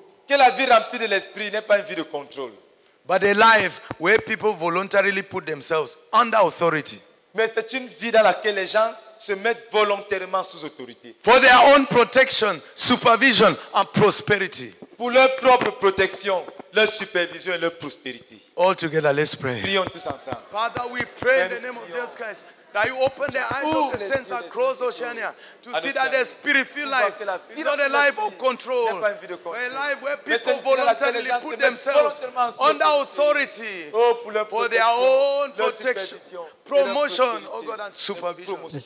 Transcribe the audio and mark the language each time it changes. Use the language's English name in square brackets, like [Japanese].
[French] Que la vie remplie de l'esprit n'est pas une vie de contrôle. [English] But a life where people voluntarily put themselves under authority. [French] Mais c'est une vie dans laquelle les gens se mettent volontairement sous autorité. [English] For their own protection, supervision, and prosperity. [French] Pour leur propre protection, leur supervision et leur prospérité. [English] All together, let's pray. [French] Prions tous ensemble. [English] Father, we pray in the name of Jesus Christ that you open the eyes of the saints across Oceania to see that the spirit-filled life is not a life of control, but a life where people voluntarily put themselves under authority for their own protection, promotion, oh God, and supervision.